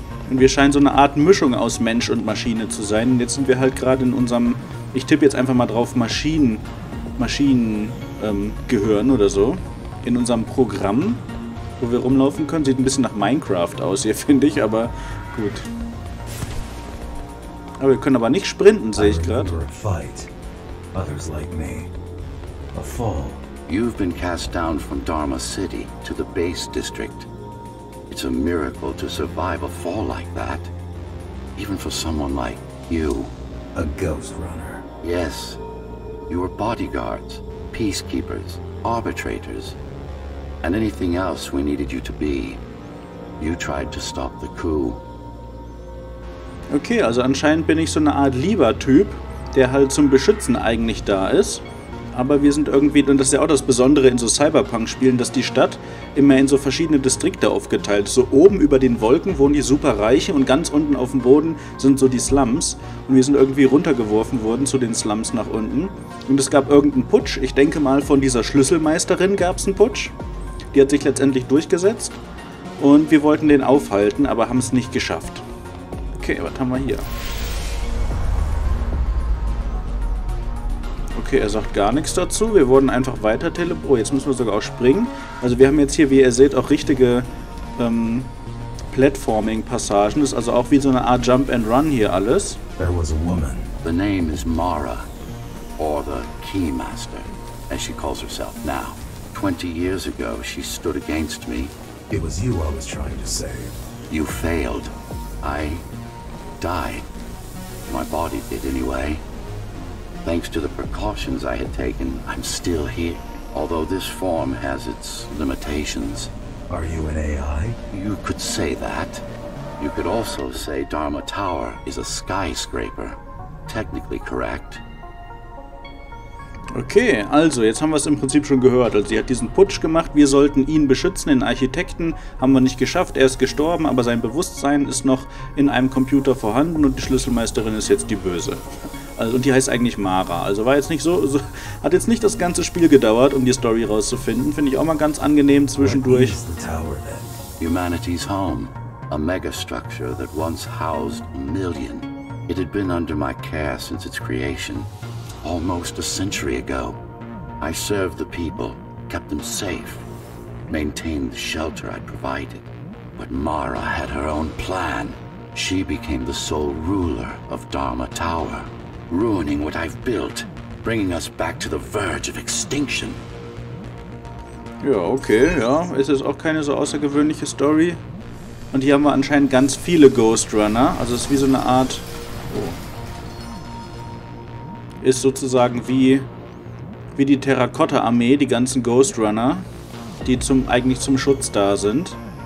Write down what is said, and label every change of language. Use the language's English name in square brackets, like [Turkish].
[German] Und wir scheinen so eine Art Mischung aus Mensch und Maschine zu sein. Und jetzt sind wir halt gerade in unserem, ich tippe jetzt einfach mal drauf, Maschinengehirn oder so. In unserem Programm, wo wir rumlaufen können. Sieht ein bisschen nach Minecraft aus hier, finde ich, aber gut. Aber wir können aber nicht sprinten, sehe ich gerade. [English] Others like me. A fall. You've been cast down from Dharma City to the base district. It's a miracle to survive a fall like that, even for someone like you. A ghost runner. Yes. You are bodyguards, peacekeepers, arbitrators, and anything else we needed you to be. You tried to stop the coup. [German] Okay, also anscheinend bin ich so eine Art Lieber-Typ, der halt zum Beschützen eigentlich da ist. Aber wir sind irgendwie, und das ist ja auch das Besondere in so Cyberpunk-Spielen, dass die Stadt immer in so verschiedene Distrikte aufgeteilt ist. So oben über den Wolken wohnen die Superreiche und ganz unten auf dem Boden sind so die Slums. Und wir sind irgendwie runtergeworfen worden zu den Slums nach unten. Und es gab irgendeinen Putsch, ich denke mal von dieser Schlüsselmeisterin gab es einen Putsch. Die hat sich letztendlich durchgesetzt. Und wir wollten den aufhalten, aber haben es nicht geschafft. Okay, was haben wir hier? Okay, er sagt gar nichts dazu. Wir wurden einfach weiter teleportiert. Oh, jetzt müssen wir sogar auch springen. Also wir haben jetzt hier, wie ihr seht, auch richtige Platforming-Passagen. Das ist also auch wie so eine Art Jump and Run hier alles. [English] There was a woman. The name is Mara, or the Keymaster, as she calls herself now. 20 years ago, she stood against me. It was you I was trying to save. You failed. I died. my body did anyway. Thanks to the precautions I had taken, I'm still here. Although this form has its limitations. Are you an AI? You could say that. You could also say Dharma Tower is a skyscraper. Technically correct. [German] Okay, also, jetzt haben wir es im Prinzip schon gehört. Also, sie hat diesen Putsch gemacht. Wir sollten ihn beschützen, den Architekten. Haben wir nicht geschafft. Er ist gestorben, aber sein Bewusstsein ist noch in einem Computer vorhanden und die Schlüsselmeisterin ist jetzt die Böse. Also, und die heißt eigentlich Mara. Also, war jetzt nicht so, so. Hat jetzt nicht das ganze Spiel gedauert, um die Story rauszufinden. Finde ich auch mal ganz angenehm zwischendurch. Was ist die Tower, denn? [English] Humanity's Home. A megastructure that once housed a million. It had been under my care since its creation. Almost a century ago, I served the people, kept them safe, maintained the shelter I provided. But Mara had her own plan. She became the sole ruler of Dharma Tower, ruining what I've built, bringing us back to the verge of extinction. [German] Ja, okay, ja, es ist auch keine so außergewöhnliche Story. Und hier haben wir anscheinend ganz viele Ghostrunner, also es ist wie so eine Art... Oh. Ist sozusagen wie die Terrakotta-Armee, die ganzen Ghostrunner, die eigentlich zum Schutz da sind.